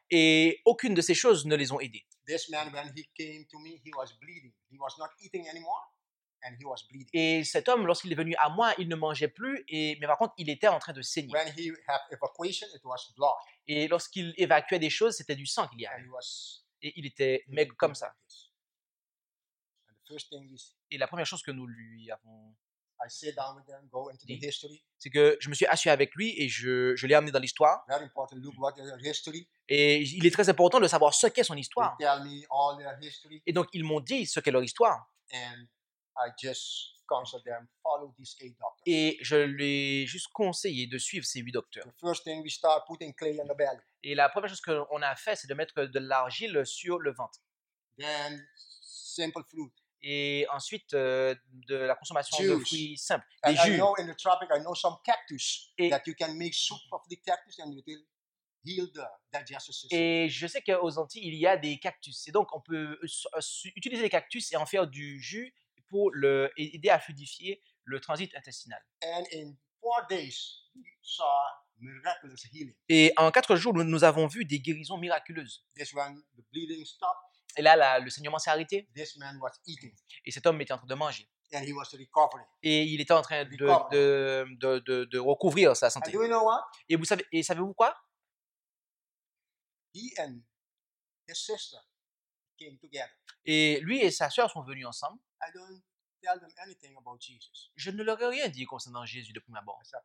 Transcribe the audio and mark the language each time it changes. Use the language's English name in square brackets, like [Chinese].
[French] Et aucune de ces choses ne les ont aidés. [English] This man, when he came to me, he was bleeding. He was not eating anymore, and he was bleeding. [French] Et cet homme, lorsqu'il est venu à moi, il ne mangeait plus, mais par contre, il était en train de saigner. [English] When he had evacuation, it was blood. [French] Et lorsqu'il évacuait des choses, c'était du sang qu'il y avait. [English] And he was. [French] Et il était maigre comme ça. [English] And the first thing is. [French] Et la première chose que nous lui avons. [English] I sit down with them, go into the history. [French] C'est que je me suis assis avec lui et je l'ai amené dans l'histoire. [English] Very important. Look what is history. [French] Et il est très important de savoir ce qu'est son histoire. [English] They tell me all their history. [French] Et donc ils m'ont dit ce qu'est leur histoire. [English] And I just counseled them, follow these eight doctors. [French] Et je lui ai juste conseillé de suivre ces huit docteurs. [English] The first thing we start putting clay on the belly. [French] Et la première chose qu'on a fait, c'est de mettre de l'argile sur le ventre. [English] Then simple food. [French] Et ensuite, de la consommation [English] juice. [French] De fruits simples, des jus. [English] I know in the tropic, I know some cactus et that you can make soup of the cactus and it will heal the digestive system. [French] Et je sais qu'aux Antilles, il y a des cactus. Et donc, on peut utiliser les cactus et en faire du jus pour aider à fluidifier le transit intestinal. [English] And in 4 days, we saw miraculous healing. [French] Et en 4 jours, nous avons vu des guérisons miraculeuses. [English] This one, the bleeding stopped. [French] Et là, le saignement s'est arrêté. [English] This man was eating. [French] Et cet homme était en train de manger. [English] And he was recovering. [French] Et il était en train de recouvrir sa santé. [English] And do you know what? [French] Et vous savez, savez-vous quoi? [English] He and his sister came together. [French] Et lui et sa sœur sont venus ensemble. [English] I don't tell them anything about Jesus. [French] Je ne leur ai rien dit concernant Jésus de prime abord.